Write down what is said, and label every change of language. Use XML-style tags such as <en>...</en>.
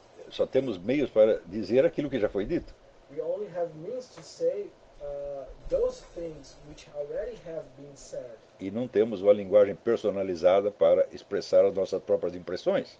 <pt>Só temos meios para dizer aquilo que já foi dito.</pt> <en>We only have means to say those things which already have been said.</en> <pt>E não temos uma linguagem personalizada para expressar as nossas próprias impressões.</pt>